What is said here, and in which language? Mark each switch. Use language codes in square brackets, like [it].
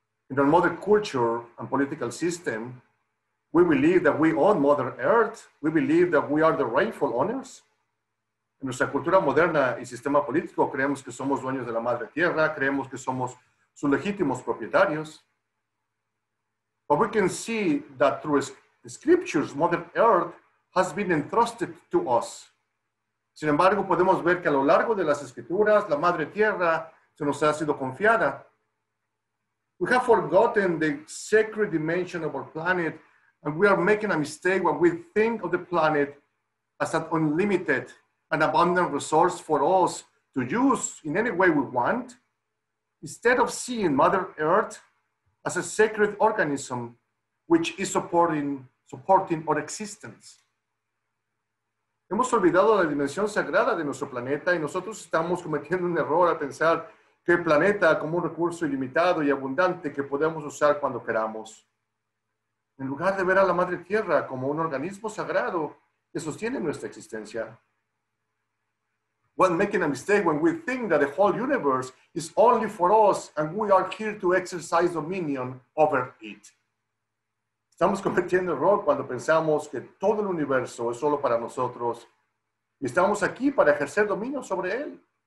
[en] In our modern culture and political system, we believe that we own Mother Earth. We believe that we are the rightful owners. [es] En nuestra cultura moderna y sistema político, creemos que somos dueños de la Madre Tierra, creemos que somos sus legítimos propietarios. [en] But we can see that through the scriptures, Mother Earth has been entrusted to us. [es] Sin embargo, podemos ver que a lo largo de las escrituras, la Madre Tierra se nos ha sido confiada. [en] We have forgotten the sacred dimension of our planet, and we are making a mistake when we think of the planet as an unlimited and abundant resource for us to use in any way we want, instead of seeing Mother Earth as a sacred organism which is supporting our existence. [es] Hemos olvidado la dimensión sagrada de nuestro planeta y nosotros estamos cometiendo un error al pensar que el planeta como un recurso ilimitado y abundante que podemos usar cuando queramos. En lugar de ver a la Madre Tierra como un organismo sagrado que sostiene nuestra existencia. [en] We're making a mistake when we think that the whole universe is only for us and we are here to exercise dominion over it. [es] Estamos cometiendo error cuando pensamos que todo el universo es solo para nosotros y estamos aquí para ejercer dominio sobre él.